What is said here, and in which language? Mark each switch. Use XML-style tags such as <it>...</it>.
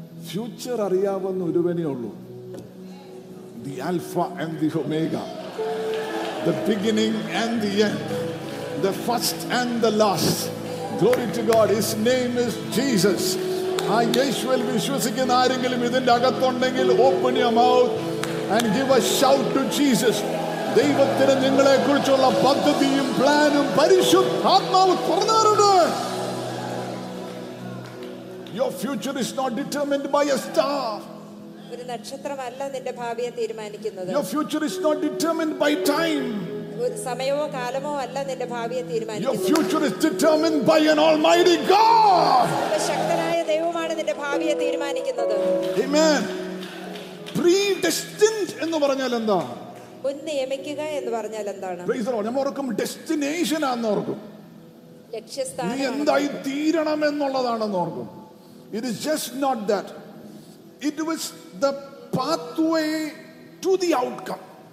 <en>Future</en> <ml>ariyavunna oruvane ullu,</ml> <en>the alpha and the omega, the beginning and the end, the first and the last. Glory to God. His name is Jesus.</en> <ml>ആ യേശുവിൽ വിശ്വസിക്കുന്ന ആരെങ്കിലും ഇതിന്റെ അകത്തുണ്ടെങ്കിൽ</ml> <en>Open your mouth and give a shout to Jesus.</en> <ml>ദൈവത്തിന് നിങ്ങളെ കുറിച്ചുള്ള പദ്ധതിയും പ്ലാനും പരിശുദ്ധാത്മാവ് തുറന്നാറുണ്ട്.</ml> <en>Your future is not determined by a star.</en> <ml>ഒരു നക്ഷത്രമല്ല നിന്റെ ഭാവിയെ തീരുമാനിക്കുന്നത്.</ml> <en>Your future is not determined by time.</en> <ml>ഒരു സമയമോ കാലമോ അല്ല നിന്റെ ഭാവിയെ തീരുമാനിക്കുന്നത്.</ml> <en>Your future is determined by an almighty God. Amen.</en> <ml>Predestined എന്ന് പറഞ്ഞാൽ എന്താ? മുൻനിയമിക്കുക എന്ന് പറഞ്ഞാൽ എന്താണ്?</ml> <en>Praise the Lord.</en> <ml>നമ്മൾ ഓർക്കും ഡെസ്റ്റിനേഷൻ ആണെന്ന് ഓർക്കും. ലക്ഷ്യസ്ഥാനം. നീ എന്തായി തീരണം എന്നുള്ളതാണെന്ന് ഓർക്കും.</ml> <en>It is just not that. It was the pathway to the outcome.</en>